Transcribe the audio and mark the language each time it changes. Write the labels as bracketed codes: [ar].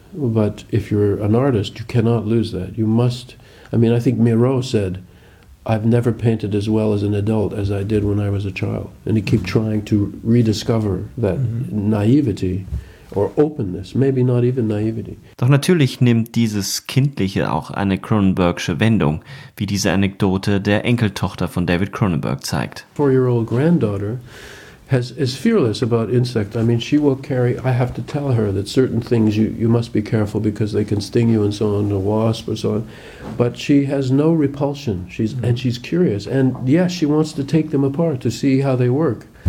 [en] But if you're an artist, you cannot lose that. You must. I mean, I think Miro said, "I've never painted as well as an adult as I did when I was a child," and he keep trying to rediscover that mm-hmm. naivety. Or openness, maybe not even naivety. [de] Doch natürlich nimmt dieses Kindliche auch eine Cronenbergsche Wendung, wie diese Anekdote der Enkeltochter von David Cronenberg zeigt. [en] 4-year-old granddaughter is fearless about insects. I mean, she will carry, I have to tell her that certain things you must be careful because they can sting you and so on, a wasp or so on. But she has no repulsion. She's mm-hmm. and she's curious. And yes, she wants to take them apart to see how they work.